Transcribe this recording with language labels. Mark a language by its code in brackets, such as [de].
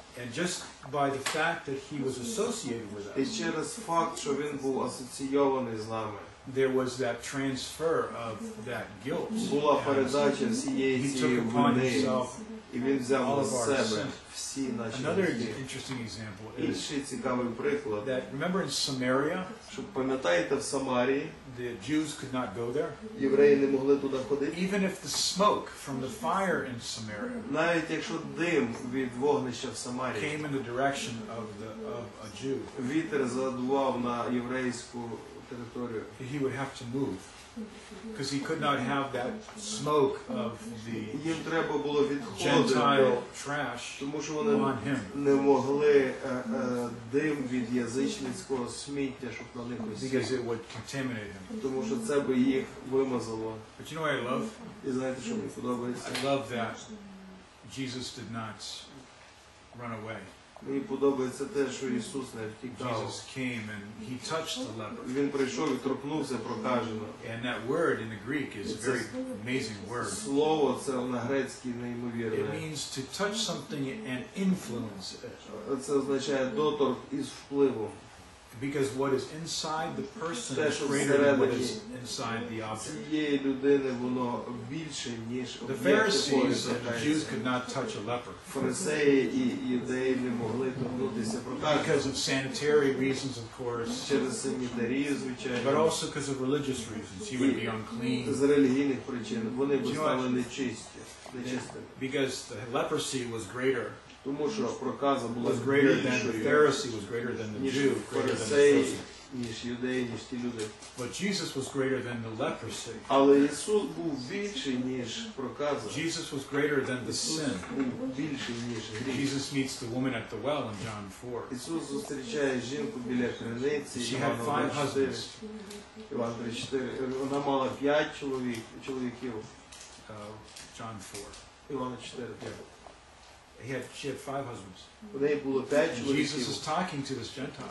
[en] And just by the fact that he was associated with us. [uk] І через факт, що він був асоційований з нами. [en] There was that transfer of that guilt. [uk] Була передача цієї сили. [en] He took upon himself. [uk] І він взяв на себе всі наші. [en] Another interesting example is. [uk] Ще цікавий приклад. [en] That remember in Samaria? [uk] Що пам'ятаєте в Самарії? [en] The Jews could not go there. [uk] Євреї не могли туди ходити. [en] Even if the smoke from the fire in Samaria. [uk] Навіть якщо дим від вогнища в Самарії. [en] Came in the direction of the of a Jew. [uk] Вітер задував на єврейську територію. [en] He would have to move. Because he could not have that smoke of the [uk] їм треба було [en] Gentile trash [uk] тому що вони [en] on him. [uk] Не могли дим від язичницького сміття, щоб на них осіли. [en] Because it would contaminate him. [uk] Тому що це би їх вимазало. [en] But you know what I love? [uk] І знаєте, що мені подобається? [en] I love that Jesus did not run away. [uk] Мені подобається те, що Ісус не втікав. [en] Jesus came and he touched the leper. [uk] Він прийшов і торкнувся прокаженого. [en] And that word in the Greek is a very amazing word. [uk] Слово це на грецькій неймовірне. [en] It means to touch something and influence it. [uk] Це означає доторк із впливом. [en] Because what is inside the person is greater than what is inside the object. [uk] Цієї людини воно більше, ніж об'єкт. [en] The Pharisees and the Jews could not touch a leper. [uk] Фарисеї і юдеї не могли торкнутися прокаженого. [en] Because of sanitary reasons, of course. [uk] Через санітарі, звичайно. [en] But also because of religious reasons. He would be unclean. [uk] З релігійних причин. Вони б стали нечистими. [en] Because the leprosy was greater. [uk] Тому що проказа була [en] was greater than the Pharisee, was greater than the Jew, greater than the [uk] ніж юдеї, ніж ті люди. [en] But Jesus was greater than the leprosy. [uk] Але Ісус був більший, ніж проказа. [en] Jesus was greater than the sin. [uk] Більший, ніж гріх. [en] Jesus meets the woman at the well in John 4. [uk] Ісус зустрічає жінку біля криниці. [en] She had five husbands. [uk] Іван 3:4. Вона мала п'ять чоловіків. [en] John 4. [uk] Івана 4. [en] She had five husbands. And Jesus is talking to this Gentile.